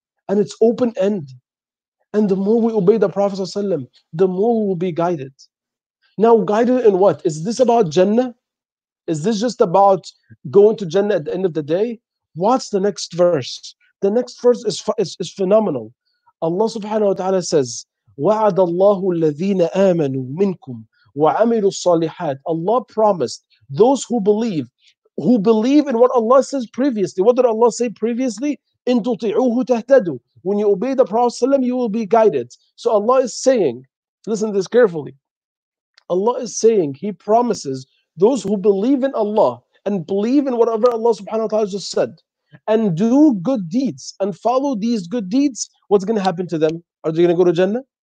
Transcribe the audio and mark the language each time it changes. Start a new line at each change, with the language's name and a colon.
English: And it's open end. And the more we obey the Prophet, the more we will be guided. Now, guided in what? Is this about Jannah? Is this just about going to Jannah at the end of the day? What's the next verse? The next verse is phenomenal. Allah subhanahu wa ta'ala says,
Arabic: وَعَدَ اللَّهُ الَّذِينَ آمَنُوا مِنْكُمْ وَعَمِلُوا الصَّالِحَاتِ.
English: Allah promised those who believe in what Allah says previously. What did Allah say previously?
Arabic: إِن تُطِعُوهُ تَهْتَدُوا.
English: When you obey the Prophet ﷺ, you will be guided. So Allah is saying, listen to this carefully. Allah is saying, he promises those who believe in Allah and believe in whatever Allah subhanahu wa ta'ala just said and do good deeds and follow these good deeds, what's going to happen to them? Are they going to go to Jannah?